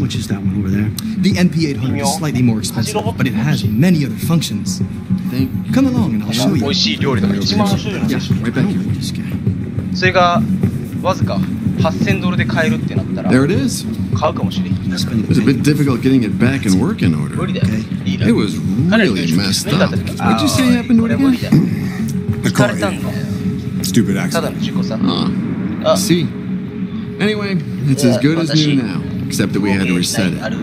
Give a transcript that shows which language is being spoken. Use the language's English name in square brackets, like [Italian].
[English] How much is that one over there? The MP800 is slightly more expensive, but it has many other functions. Come along and I'll show you. [Japanese] 美味しい料理とか一番面白いな。それがわずか8000ドルで買えるってなったら。 [English] There it is. [Japanese] 買うかもしれない。 [English] It's a bit difficult getting it back in working order. [Japanese] 無理だよ。 [English] It was really messed up. What'd you say happened to it again? [Japanese] 聞かれたんだ。 [English] Stupid accident. [Japanese] ただの事故さ。 [English] See. Anyway, it's as good as new now. Except that we had to reset it.